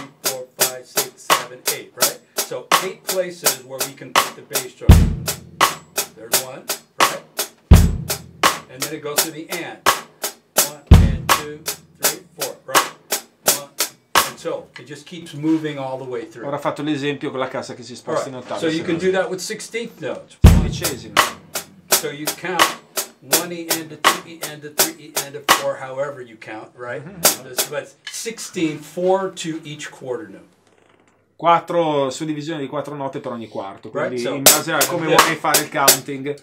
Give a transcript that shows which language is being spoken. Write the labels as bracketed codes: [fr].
[en] 1, 2, 3, 4, 5, 6, 7, 8, right? So 8 places where we can put the bass drum. There's one, right? And then it goes to the and. 1, 2, 3, 4, right? And so it just keeps moving all the way through. [it] Ora ho fatto l'esempio con la cassa che si sposta in ottava. [en] So you can do that with 16th notes. [it] Quindicesima. [en] So you count 1 e and, 2 e and, 3 e and, 4, however you count, right? But 16, 4 to each quarter note. [it] Quattro suddivisioni di quattro note per ogni quarto, quindi right, so, in base a come vuoi fare il counting.